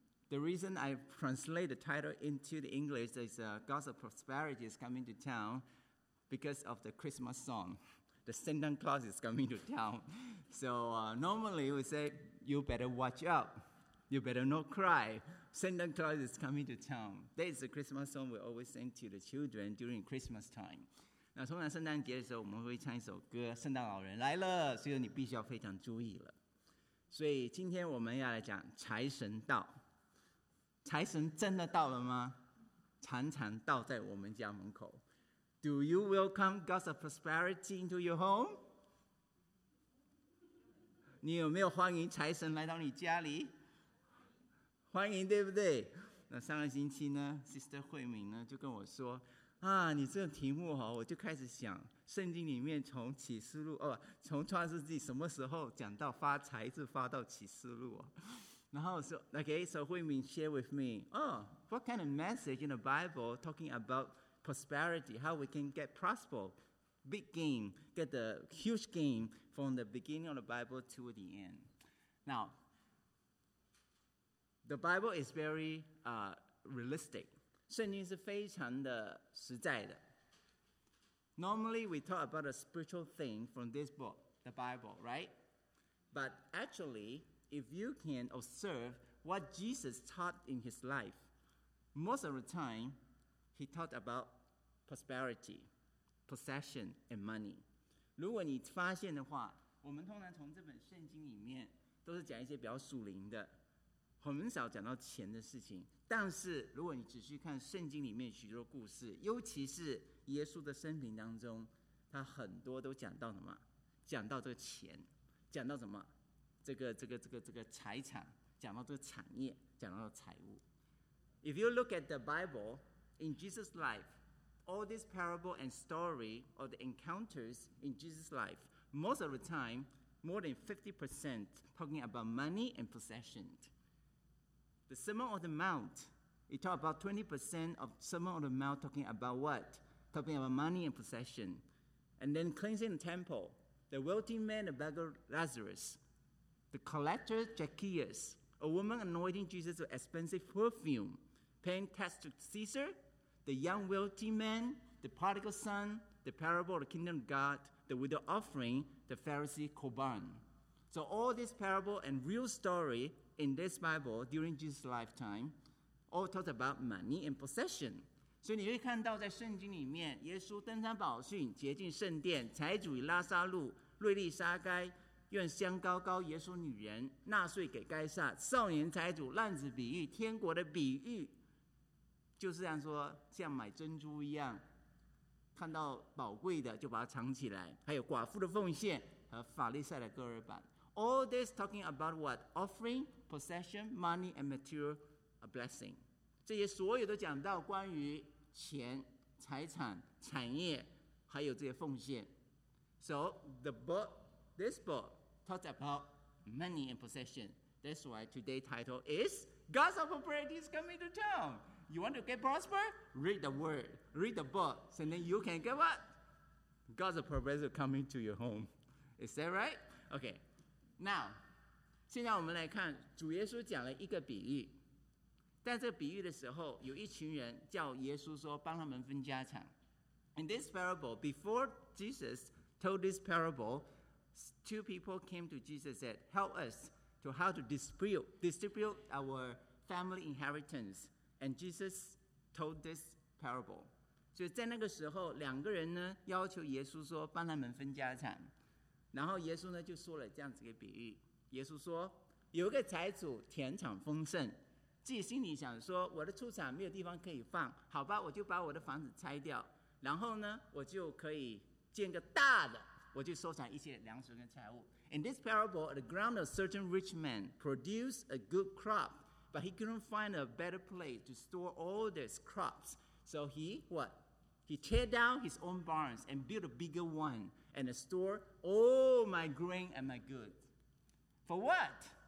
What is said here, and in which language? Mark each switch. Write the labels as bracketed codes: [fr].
[en] The reason I translate the title into the English is God of Prosperity is Coming to Town because of the Christmas song. The Santa Claus is coming to town. So normally we say, you better watch out. You better not cry. Santa Claus is coming to town. That is the Christmas song we always sing to the children during Christmas time. [zh] 那通常圣诞节的时候我们会唱一首歌，圣诞老人来了，所以你必须要非常注意了。所以今天我们要来讲财神到。财神真的到了吗？常常到在我们家门口。 [en] Do you welcome God's prosperity into your home? [zh] 你有没有欢迎财神来到你家里？欢迎，对不对？那上个星期呢 ，Sister 慧敏呢就跟我说：“啊，你这个题目哈，我就开始想圣经里面从启示录哦，从创世纪什么时候讲到发财，是发到启示录啊？” 然后说 [en] ，Okay, so 慧敏 share with me, oh, what kind of message in the Bible talking about? Prosperity, how we can get prosper, big gain, get the huge gain from the beginning of the Bible to the end. Now, the Bible is very realistic. [zh] 圣经是非常的实在的。 [en] Normally, we talk about a spiritual thing from this book, the Bible, right? But actually, if you can observe what Jesus taught in his life, most of the time, he taught aboutprosperity, possession, and money. [zh] 如果你发现的话，我们通常从这本圣经里面都是讲一些比较属灵的，很少讲到钱的事情。但是如果你仔细看圣经里面许多故事，尤其是耶稣的生平当中，他很多都讲到什么？讲到这个钱，讲到什么？这个财产，讲到这个产业，讲到财务。 [en] If you look at the Bible in Jesus' life. All this parable and story of the encounters in Jesus' life, most of the time, more than 50% talking about money and possession. The Sermon on the Mount, it talks about 20% of Sermon on the Mount talking about what? Talking about money and possession. And then cleansing the temple, the wealthy man, the beggar Lazarus, the collector Zacchaeus, a woman anointing Jesus with expensive perfume, paying tax to Caesar,The young wealthy man, the prodigal son, the parable of the kingdom of God, the widow offering, the Pharisee Korban. So all this parable and real story in this Bible during Jesus' lifetime all talk about money and possession. [zh] 所以你会看到在圣经里面耶稣登山宝训洁净圣殿财主与拉撒路瑞利沙该愿香膏膏耶稣女人纳税给该撒少年财主浪子比喻天国的比喻就是这样说，像买珍珠一样，看到宝贵的就把它藏起来。还有寡妇的奉献和法利赛的割耳板。 [en] All this talking about what? Offering, possession, money, and material a blessing. [zh] 这些所有都讲到关于钱、财产、产业，还有这些奉献。 [en] So the book, this book talks about money and possession. That's why today's title is God's Prosperity is Coming to Town. You want to get prosper? Read the word. Read the book. So then you can get what? God's purpose is coming to your home. Is that right? Okay. Now, [zh] 现在我们来看主耶稣讲了一个比喻。在这个比喻的时候有一群人叫耶稣说帮他们分家产。 [en] In this parable, before Jesus told this parable, two people came to Jesus and said, help us to how to distribute our family inheritance. And Jesus told this parable. [zh] 所以在那个时候两个人呢要求耶稣说帮他们分家产。然后耶稣呢就说了这样子一个比喻。耶稣说有一个财主田产丰盛。自己心里想说我的出产没有地方可以放。好吧我就把我的房子拆掉。然后呢我就可以建个大的。我就收藏一些粮食跟财物。 [en] In this parable, the ground of certain rich men produced a good crop. But he couldn't find a better place to store all these crops. So he, what? He tear down his own barns and build a bigger one and store all my grain and my goods. For what?